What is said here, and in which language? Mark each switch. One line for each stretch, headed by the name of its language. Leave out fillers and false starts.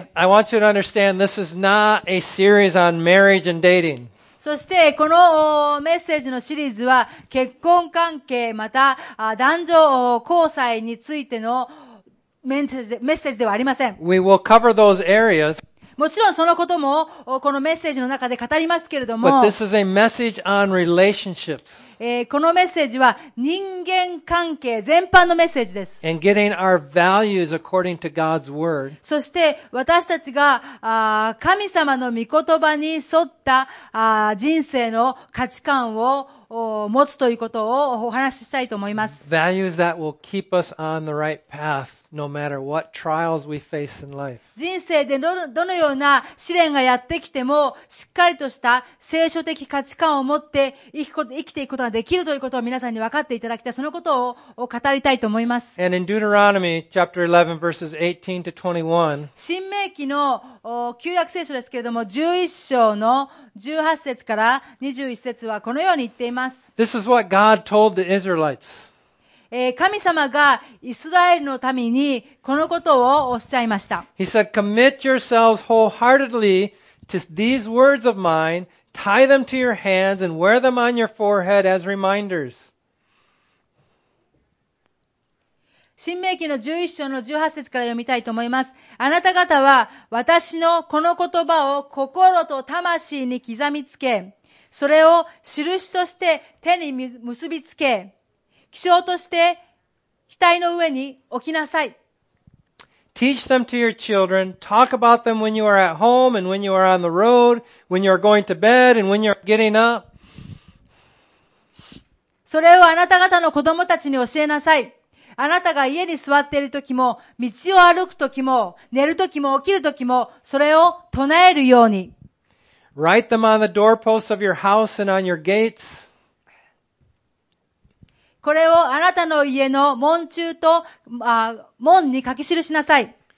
English: And I want you to understand this is not a series on marriage and dating.
Japanese: そしてこのメッセージのシリーズは結婚関係また男女交際についてのメッセージではありません。
English: We will cover those areas.
Japanese: もちろんそのこともこのメッセージの中で語りますけれども。
English: But this is a message on relationships.
Japanese: このメッセージは人間関係全般のメッセージです。
English: And getting our values according to God's word.
Japanese: そして私たちが神様の御言葉に沿った人生の価値観を持つということをお話ししたいと思います。
English: Values that will keep us on the right path. No matter what trials we face in life.
Japanese: 人生でどのような試練がやってきても、しっかりとした聖書的価値観を持って生きていくことができるということを皆さんに分かっていただきたい。そのことを語りたいと思います。
English: And in Deuteronomy chapter 11 verses 18 to 21.
Japanese: 新命記の旧約聖書ですけれども、11章の18節から21節はこのように言っています。
English: This is what God told the Israelites.
Japanese: 神様がイスラエルの民にこのことをおっしゃいました。
English: He said, commit yourselves wholeheartedly to these words of mine, tie them to your hands and wear them on your forehead as reminders.
Japanese: 新命記の11章の18節から読みたいと思います。あなた方は私のこの言葉を心と魂に刻みつけ、それを印として手に結びつけ、記章として額の上に置きなさい。
English: Teach them to your children. Talk about them when you are at home and when you are on the road, when you are going to bed and when you are getting up.
Japanese: それをあなた方の子供たちに教えなさい。あなたが家に座っているときも、道を歩くときも、寝るときも、起きるときも、それを唱えるように。
English: Write them on the doorposts of your house and on your gates.
Japanese: これをあなたの家の門中と門に書き記しなさい。